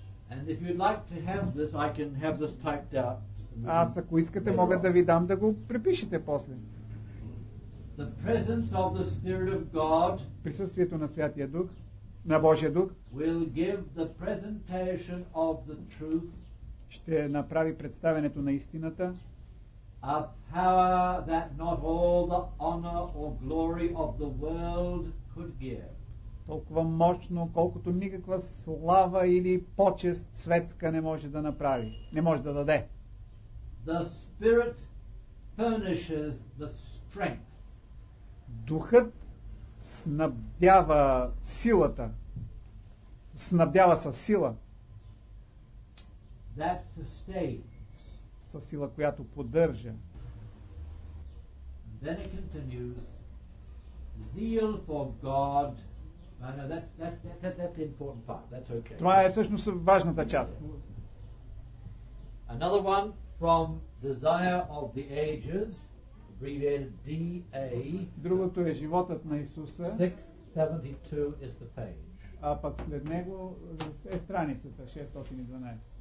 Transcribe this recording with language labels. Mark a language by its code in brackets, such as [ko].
[en] And if you'd like to have this, I can have this typed out. [bg] Аз, ако искате, мога да ви дам да го препишете после. [en] The presence of the Spirit of God, [bg] присъствието на Святия Дух, на Божия Дух, [en] will give the presentation of the truth, [bg] ще направи представянето на истината, [en] a power that not all the honor or glory of the world could give. [bg] Толкова мощно, колкото никаква слава или почест светска не може да направи, не може да даде. [en] The Spirit furnishes the strength. [bg] Духът снабдява силата. Снабдява със сила. [en] That sustains. [bg] Със сила, която поддържа. [en] And then it continues. Zeal for God. No, that's the important part. That's okay. [bg] Това е всъщност важната част. [en] Another one from Desire of the Ages, abbreviated DA. [bg] Другото е Животът на Исуса. [en] 672 is the page. [bg] А пък след него е страницата 612.